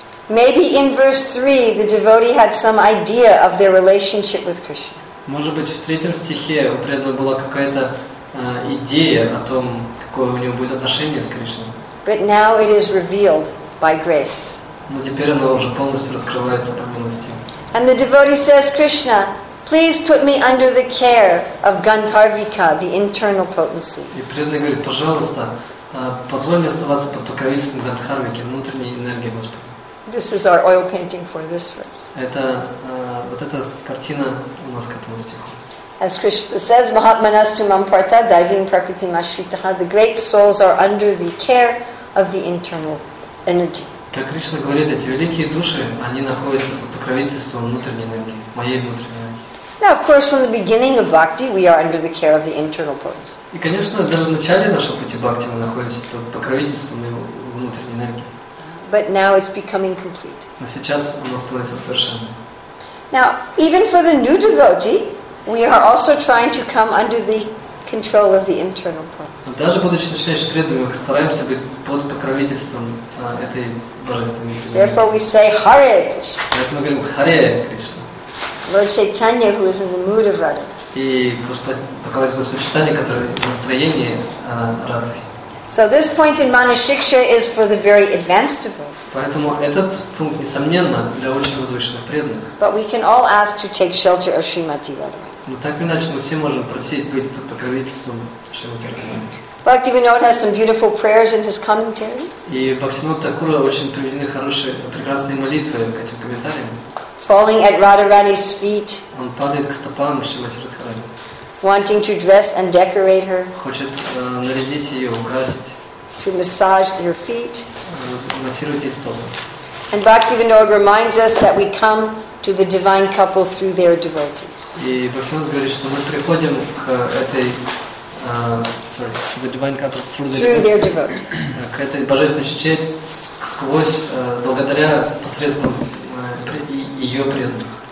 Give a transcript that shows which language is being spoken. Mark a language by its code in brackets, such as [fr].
[en] Maybe in verse 3 the devotee had some idea of their relationship with Krishna. [ru] Может быть, в третьем стихе у преданного была какая-то идея о том, какое у него будет отношение с Кришной. [en] But now it is revealed by grace. [ru] Но теперь оно уже полностью раскрывается по милости. [en] And the devotee says, Krishna, please put me under the care of Gandharvika, the internal potency. [ru] И преданный говорит, пожалуйста, позволь мне оставаться под покровительством Гандхарвики, внутренней энергии Господа. [en] This is our oil painting for this verse. [ru] Это вот эта картина у нас к этому стиху. [en] As Krishna says, Mahatmanastu Mamparta, Daivim Prakriti Mashritaha, the great souls are under the care of the internal energy. [ru] Как Кришна говорит, эти великие души, они находятся под покровительством внутренней энергии, моей внутренней энергии. [en] Now, of course, from the beginning of bhakti, we are under the care of the internal potency. [ru] И, конечно, даже в начале нашего пути бхакти мы находимся под покровительством внутренней энергии. [en] But now it's becoming complete. [ru] Но сейчас оно становится совершенным. [en] Now, even for the new devotee, we are also trying to come under the control of the internal process. [ru] Даже будучи начинающим преданным, мы стараемся быть под покровительством этой божественной энергии. [en] Therefore, we say Hare Krishna. [ru] Поэтому мы говорим Харе Кришна. [en] Lord Chaitanya, who is in the mood of Radha. [ru] И поклоняется Господь Чайтанья, который в настроении Радхи. [en] So this point in Manushiksha is for the very advanced devotee. [ru] Поэтому этот пункт, несомненно, для очень возвышенных преданных. [en] But we can all ask to take shelter of Srimati Radharani. [ru] Но так или иначе мы все можем просить быть под покровительством Шримати Радхарани. [en] Bhaktivinoda has some beautiful prayers in his commentary. [ru] И Бхактивинода Такура очень приведены хорошие, прекрасные молитвы к этим комментариям. [en] Falling at Radharani's feet. [ru] Он падает к стопам Шримати Радхарани. [en] Wanting to dress and decorate her. [ru] Хочет нарядить ее, украсить. [en] To massage her feet. [ru] Массировать ей стопы. [en] And Bhaktivinoda reminds us that we come to the divine couple through their devotees. [ru] И Бхактивинода говорит, что мы приходим к этой [en] sorry, the divine comfort through the through their devotee. [ru] К этой божественной чите сквозь благодаря посредством ее преданных.